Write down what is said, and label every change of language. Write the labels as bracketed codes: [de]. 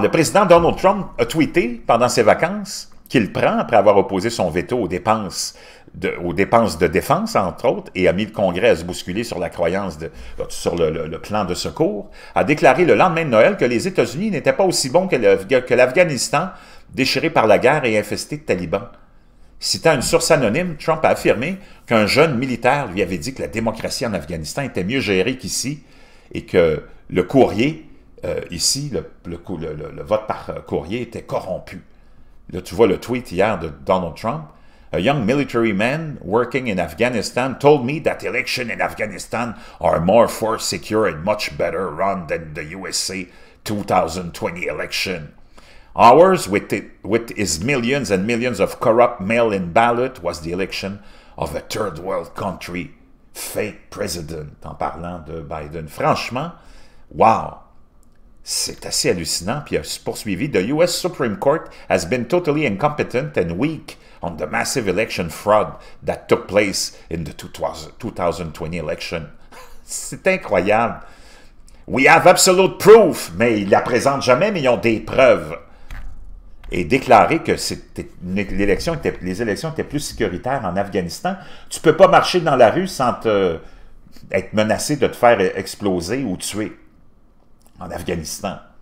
[fr] Le président Donald Trump a tweeté pendant ses vacances qu'il prend après avoir opposé son veto aux dépenses de défense, entre autres, et a mis le Congrès à se bousculer sur la croyance sur le plan de secours, a déclaré le lendemain de Noël que les États-Unis n'étaient pas aussi bons que l'Afghanistan, déchiré par la guerre et infesté de talibans. Citant une source anonyme, Trump a affirmé qu'un jeune militaire lui avait dit que la démocratie en Afghanistan était mieux gérée qu'ici et que le courrier, ici, le vote par courrier était corrompu. Là, tu vois le tweet hier de Donald Trump. [en] A young military man working in Afghanistan told me that elections in Afghanistan are more force secure and much better run than the USA 2020 election. Ours, with his millions and millions of corrupt mail-in ballot, was the election of a third world country fake president. [fr] En parlant de Biden, franchement, wow! C'est assez hallucinant. Puis il a poursuivi, [en] the US Supreme Court has been totally incompetent and weak on the massive election fraud that took place in the 2020 election. [fr] C'est incroyable. [en] We have absolute proof, [fr] mais ils la présentent jamais, mais ils ont des preuves. Et déclarer que les élections étaient plus sécuritaires en Afghanistan. Tu peux pas marcher dans la rue sans être menacé de te faire exploser ou tuer en Afghanistan.